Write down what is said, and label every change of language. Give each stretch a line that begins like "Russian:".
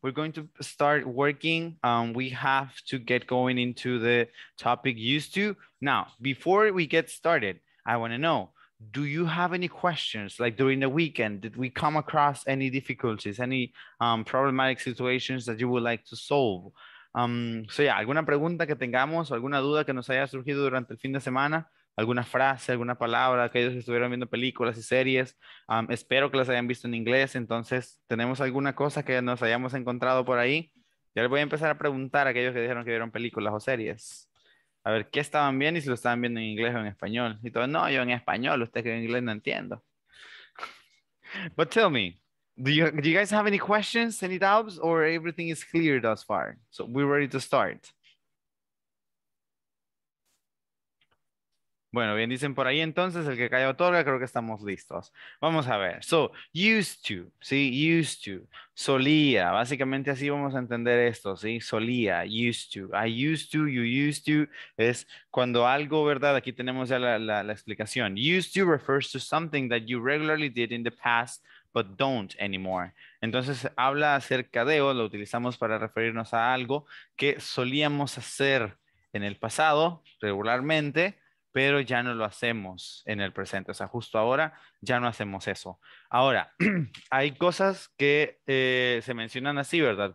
English: We're going to start working. We have to get going into the topic used to. Now, before we get started, I wanna know, do you have any questions? Like during the weekend, did we come across any difficulties, any problematic situations that you would like to solve?
Spanish: Yeah, alguna pregunta que tengamos, alguna duda que nos haya surgido durante el fin de semana, alguna frase, alguna palabra, aquellos que estuvieron viendo películas y series, espero que las hayan visto en inglés, entonces, ¿tenemos alguna cosa que nos hayamos encontrado por ahí? Ya les voy a empezar a preguntar a aquellos que dijeron que vieron películas o series. A ver, ¿qué estaban viendo y si lo estaban viendo en inglés o en español? Y todo, no, yo en español, usted que en inglés no entiendo.
English: But tell me, do you guys have any questions, any doubts, or everything is clear thus far? So we're ready to start.
Spanish: Bueno, bien dicen por ahí entonces, el que calla otorga, creo que estamos listos. Vamos a ver. So, used to, ¿sí? Used to, solía, básicamente así vamos a entender esto, ¿sí? Solía, used to,
English: I used to, you used to,
Spanish: es cuando algo, ¿verdad? Aquí tenemos ya la explicación.
English: Used to refers to something that you regularly did in the past, but don't anymore.
Spanish: Entonces, habla acerca de, o lo utilizamos para referirnos a algo que solíamos hacer en el pasado, regularmente, pero ya no lo hacemos en el presente. O sea, justo ahora ya no hacemos eso. Ahora, hay cosas que se mencionan así, ¿verdad?